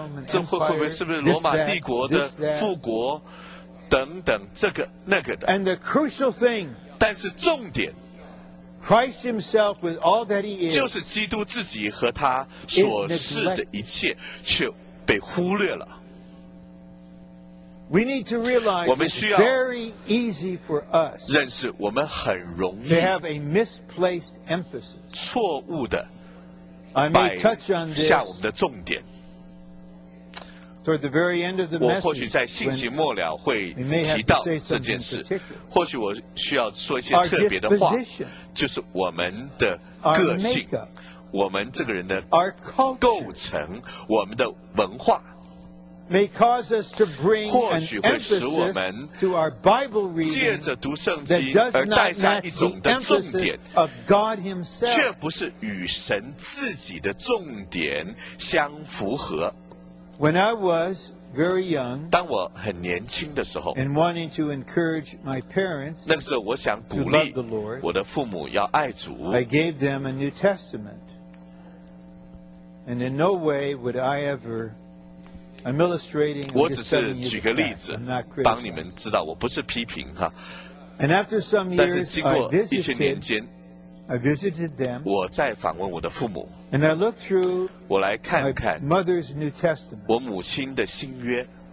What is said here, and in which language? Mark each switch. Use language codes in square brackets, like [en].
[zh] 这会不会是不是罗马帝国的复国？等等，这个那个的。 [en] And the crucial thing. [zh] 但是重点 [en] ，Christ Himself with all that He is. [zh] 就是基督自己和他所是的一切，却被忽略了。 [en] We need to realize it's very easy for us. [zh] 认识我们很容易。 [en] To have a misplaced emphasis. [zh] 错误的。 [en] I may touch on this. [zh] 下我们的重点。 [en] Toward the very end of the message, [zh] 我或许在信息末了会提到这件事。或许我需要说一些特别的话，就是我们的个性，我们这个人的构成，我们的文化。 [en] May cause us to bring an emphasis to our Bible reading that does not match the emphasis of God Himself. [zh] 却不是与神自己的重点相符合。 [en] When I was very young, [zh] 当我很年轻的时候 [en] and wanting to encourage my parents, [zh] 那个时候我想鼓励我的父母要爱主 [en] I gave them a New Testament, and in no way would I ever. I'm illustrating. [zh] 我只是举个例子，帮你们知道，我不是批评哈。 [en] And after some years, [zh] 但是经过一些年间 [en] I visited them. [zh] 我再访问我的父母。 [en] And I looked through. [zh] 我来看看 [en] my mother's New Testament. [zh] 我母亲的新约。